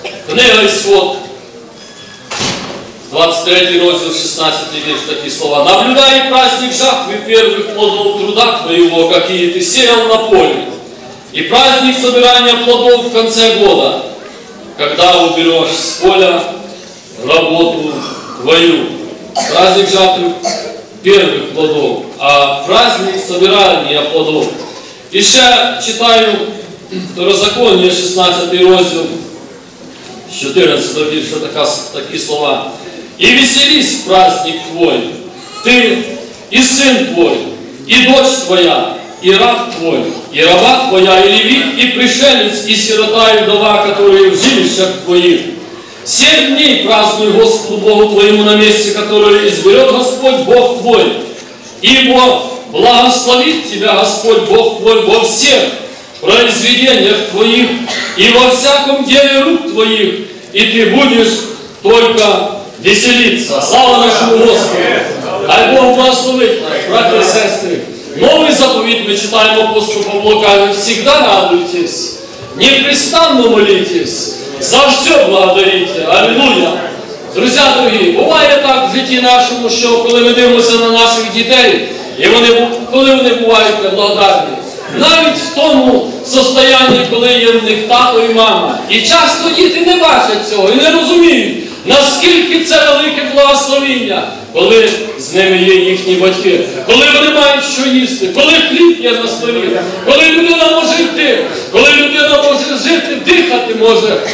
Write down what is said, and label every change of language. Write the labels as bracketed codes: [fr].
[uk] Книга Ісход, 23 розділ, 16 вірш, такі слова. [ru] Наблюдай праздник жатви первих плодов труда твоєго, [uk] які ти сіяв на полі, і [ru] праздник собирання плодов в кінці года, когда убереш з поля роботу твою. Праздник жатви первых плодов, а праздник собирания плодов. И еще читаю [uk] Второзаконие, 16 розділ, 14 вірша, такі слова. [ru] И веселись, праздник твой, ты и сын твой, и дочь твоя, и раб твой, и раба твоя, и левит, и пришелец, и сирота, и вдова, которые в жилищах твоих. Семь дней празднуй Господу Богу твоему на месте, которое изберет Господь Бог твой. Ибо благословит тебя Господь Бог твой во всех произведениях твоих и во всяком деле рук твоих, и ты будешь только веселиться. Слава нашему Господу! Дай Бог благословит нас, братья и сестры. Новый заповедь мы читаем апостолу Павлу, говорит, всегда радуйтесь, непрестанно молитесь, за все благодарите. Аллилуйя! [uk] Друзі дорогі, буває так в житті нашому, що коли ми дивимося на наших дітей, і вони, коли вони бувають неблагодарні, навіть в тому состоянні, коли є в них тато і мама, і часто діти не бачать цього, і не розуміють, наскільки це велике благословіння, коли з ними є їхні батьки, коли вони мають що їсти, коли хліб є на столі, коли людина може йти, коли людина може жити, дихати може.